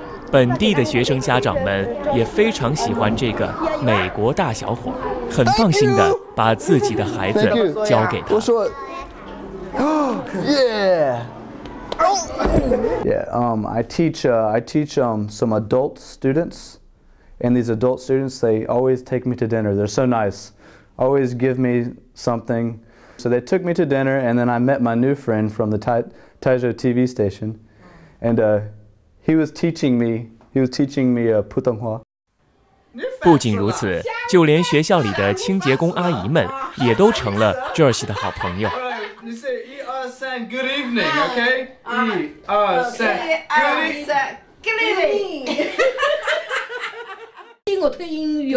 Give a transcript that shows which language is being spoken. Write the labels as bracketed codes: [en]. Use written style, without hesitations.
[zh] 本地的学生家长们也非常喜欢这个美国大小伙，很放心地把自己的孩子交给他。我说 [en] I teach some adult students, and these adult students, they always take me to dinner. They're so nice, always give me something. So they took me to dinner, and then I met my new friend from the Taizhou TV station, and he was teaching me Putonghua. [zh] 不仅如此，就连学校里的清洁工阿姨们也都成了 Joshua 的好朋友。你说一二三 ， [en] Good evening, OK？ [zh] 一二三 [en] ，Good evening。 [zh] 听我推英语，